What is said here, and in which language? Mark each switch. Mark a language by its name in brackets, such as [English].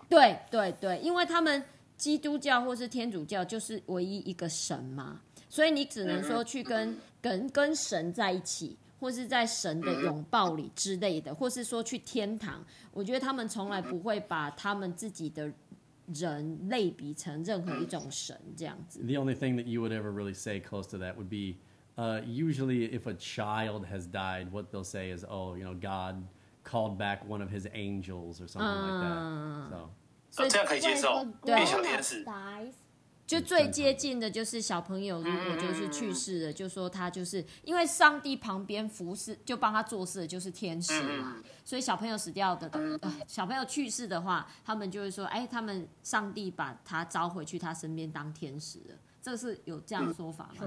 [Chinese] 对对对，因为他们基督教或是天主教就是唯一一个神嘛，所以你只能说去跟神在一起，或是在神的拥抱里之类的，或是说去天堂。我觉得他们从来不会把他们自己的人类比成任何一种神这样子。 [English] The only thing that you would ever really say close to that would be, usually if a child has died, what they'll say is, oh, you know, God called back one of his angels or something like that. So, [Chinese] 这样可以接受，变小天使。就最接近的就是小朋友如果就是去世了，就说他就是因为上帝旁边服侍就帮他做事的就是天使嘛，所以小朋友死掉的、小朋友去世的话，他们就会说哎，他们上帝把他召回去他身边当天使了，这是有这样说法吗？